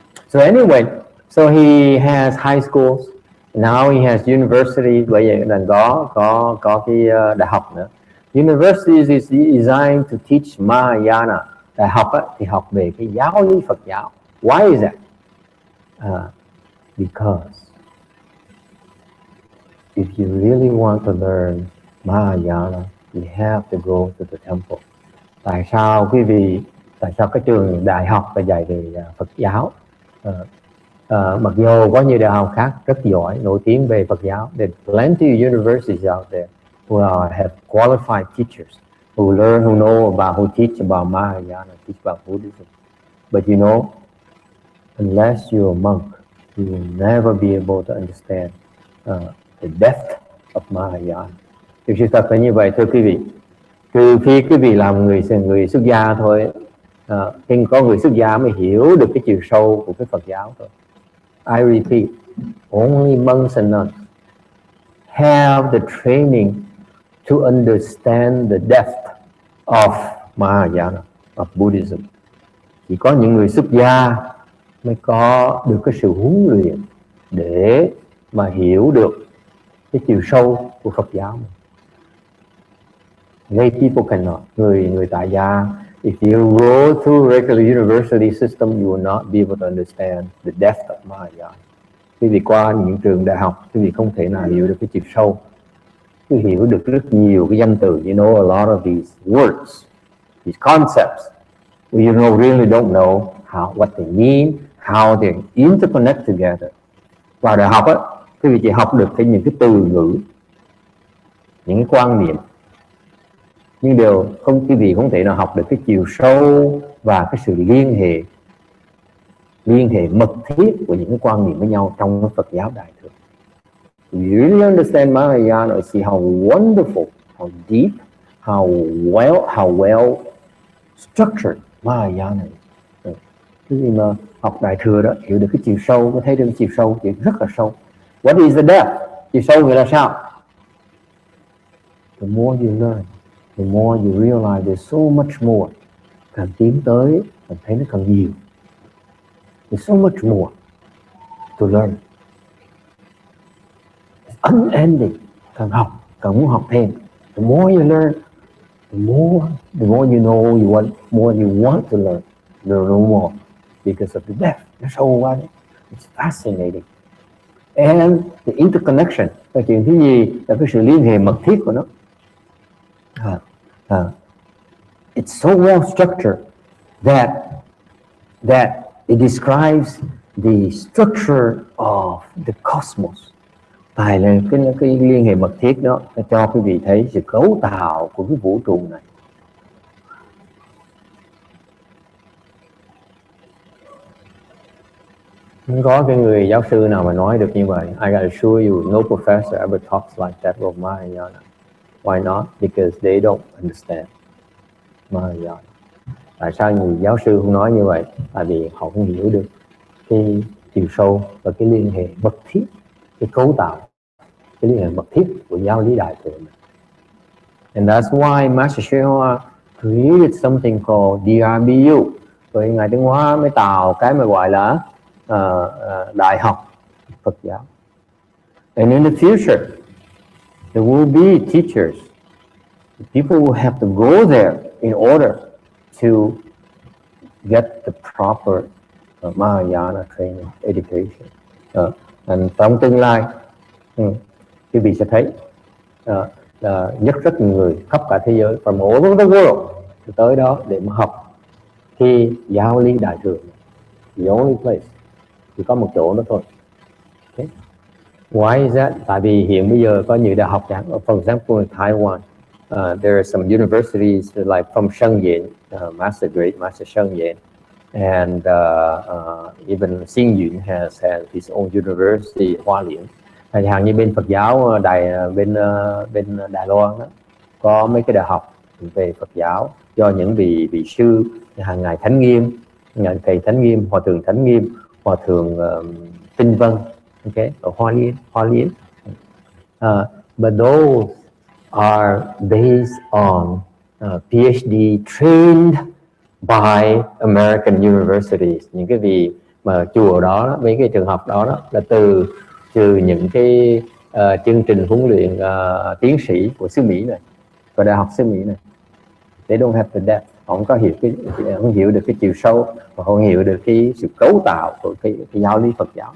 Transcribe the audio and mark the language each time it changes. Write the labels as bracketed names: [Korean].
[English] So anyway, so he has high schools. Now he has university, [Vietnamese] bởi vậy là có cái đại học nữa. [English] University is designed to teach Mahayana. [Vietnamese] Đại học á, thì học về cái giáo lý Phật giáo. [English] Why is that? Because if you really want to learn Mahayana, you have to go to the temple. [Vietnamese] Tại sao cái trường đại học phải dạy về Phật giáo? Mặc dù có nhiều đại học khác rất giỏi, nổi tiếng về Phật giáo, [English] there are plenty of universities out there who have qualified teachers who learn, who know about, who teach about Mahayana, teach about Buddhism. But you know, unless you're a monk, you will never be able to understand the depth of Mahayana. [Vietnamese] Thì sự thật là như vậy, thưa quý vị. Trừ khi quý vị làm người xuất gia thôi, thì có người xuất gia mới hiểu được cái chiều sâu của cái Phật giáo thôi. [English] I repeat, only monks and nuns have the training to understand the depth of Mahayana, of Buddhism. [Vietnamese] Chỉ có những người xuất gia mới có được cái sự huấn luyện để mà hiểu được cái chiều sâu của Phật giáo. [English] Lay people cannot, [Vietnamese] người tại gia, [English] if you go through regular university system, you will not be able to understand the depth of Mahayana. [Vietnamese] Quý vị qua những trường đại học, quý vị không thể nào hiểu được cái chiều sâu. Quý vị hiểu được rất nhiều cái danh từ, [English] you know a lot of these words, these concepts. Well, you know, really don't know how, what they mean, how they interconnect together. [Vietnamese] Vào đại học á, quý vị chỉ học được cái những cái từ ngữ, những cái quan niệm. Nhưng điều không, quý vị không thể nào học được cái chiều sâu và cái sự liên hệ mật thiết của những cái quan niệm với nhau trong Phật giáo Đại Thừa. [English] You really understand Mahayana, see how wonderful, how deep, how well structured Mahayana is. [Vietnamese] Quý vị mà học Đại Thừa đó, hiểu được cái chiều sâu, có thấy được cái chiều sâu, thì rất là sâu. [English] What is the depth? [Vietnamese] Chiều sâu nghĩa là sao? [English] The more you learn, the more you realize there's so much more. [Vietnamese] Càng tiến tới, càng thấy nó càng nhiều. [English] There's so much more to learn. It's unending. [Vietnamese] Càng học, càng muốn học thêm. [English] The more you learn, the more you know you want, more you want to learn. There's no more because of the depth. [Vietnamese] Nó sâu quá đấy. [English] It's fascinating. And the interconnection. [Vietnamese] Cái chuyện thứ gì là cái sự liên hệ mật thiết của nó. [English] It's so well structured that it describes the structure of the cosmos. [Vietnamese] Tại là cái liên hệ mật thiết đó nó cho quý vị thấy sự cấu tạo của cái vũ trụ này. Không có cái người giáo sư nào mà nói được như vậy. [English] I gotta assure you, no professor ever talks like that of Mahayana. Why not? Because they don't understand Mahayana. [Vietnamese] Tại sao người giáo sư không nói như vậy? Tại vì họ không hiểu được cái chiều sâu và cái liên hệ mật thiết, cái cấu tạo, cái liên hệ mật thiết của giáo lý Đại Thừa này. [English] And that's why Master Hsuan Hua created something called DRBU. [Vietnamese] Rồi Ngài Trấn Hóa mới tạo cái mà gọi là Đại học Phật giáo. [English] And in the future, there will be teachers. People will have to go there in order to get the proper Mahayana training, education. [Vietnamese] And trong tương lai, quý vị sẽ thấy nhất rất nhiều người khắp cả thế giới, [English] from all over the world, [Vietnamese] tới đó để mà học thi giáo lý Đại Thừa. [English] The only place, [Vietnamese] chỉ có một chỗ đó thôi. [English] Why is that? [Vietnamese] Tại vì hiện bây giờ có nhiều đại học chẳng. [English] For example, in Taiwan, there are some universities like from Sheng Yin, Master Great, Master Sheng Yin, and even Xin Yun has his own university, Hoa Liên. [Vietnamese] Thì hàng như bên Phật giáo đại bên bên Đài Loan đó, có mấy cái đại học về Phật giáo do những vị sư hàng ngày thánh nghiêm, ngài thầy thánh nghiêm, hòa thượng thánh nghiêm, hòa thượng Tinh Vân. Okay, ở Hoa Liên. [English] But those are based on PhD trained by American universities. [Vietnamese] Những cái vị mà chùa đó, mấy cái trường học đó, đó là từ những cái chương trình huấn luyện tiến sĩ của xứ Mỹ này, của đại học xứ Mỹ này. [English] They don't have the depth. [Vietnamese] Họ không có hiểu không hiểu được cái chiều sâu và không hiểu được cái sự cấu tạo của cái giáo lý Phật giáo.